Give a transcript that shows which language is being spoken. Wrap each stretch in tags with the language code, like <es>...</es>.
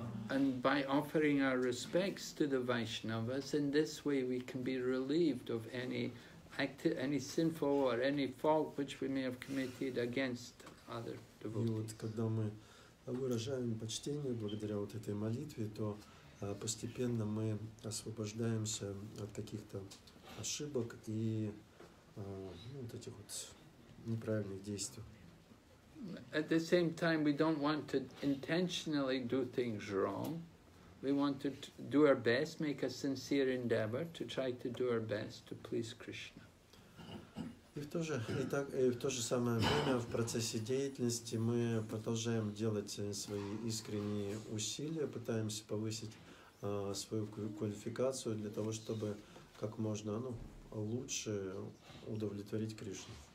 <en>And by offering our respects to the Vaishnavas, in this way we can be relieved of any sinful or any fault which we may have committed against other.</en> <ru>И вот когда мы выражаем почтение благодаря вот этой молитве, то постепенно мы освобождаемся от каких-то ошибок и вот этих вот неправильных действий.</ru> <en>At the same time, we don't want to intentionally do things wrong. We want to do our best, make a sincere endeavor to try to do our best to please Krishna.</en> <ru>И в то же самое время в процессе деятельности мы продолжаем делать свои искренние усилия, пытаемся повысить свою квалификацию для того, чтобы как можно лучше удовлетворить Кришну.</ru>